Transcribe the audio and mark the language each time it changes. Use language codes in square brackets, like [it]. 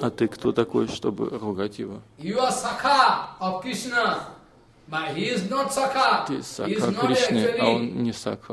[ru] А ты кто такой, чтобы ругать его? [en] You are Sakha of Krishna, but he is not Sakha. [ru] Ты Сакха Кришны, а он не Сакха.